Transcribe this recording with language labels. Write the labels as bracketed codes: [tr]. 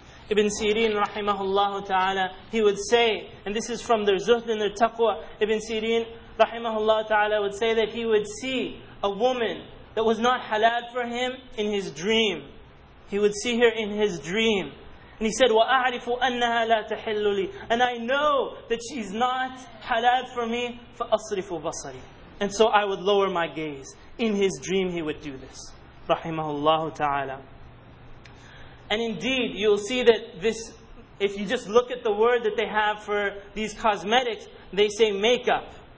[en] Ibn Sirin rahimahullahu ta'ala, he would say, and this is from their zuhd and their taqwa, Ibn Sirin rahimahullahu ta'ala would say that he would see a woman that was not halal for him in his dream. He would see her in his dream. And he said, [ar] وَأَعْرِفُ أَنَّهَا لَا تَحِلُّ لِي. [en] And I know that she's not halal for me. [ar] فَأَصْرِفُ بَصَرِي. [en] And so I would lower my gaze. In his dream he would do this. [ar] رَحِمَهُ اللَّهُ تَعَالَى. [en] And indeed, you'll see that this, if you just look at the word that they have for these cosmetics, they say makeup.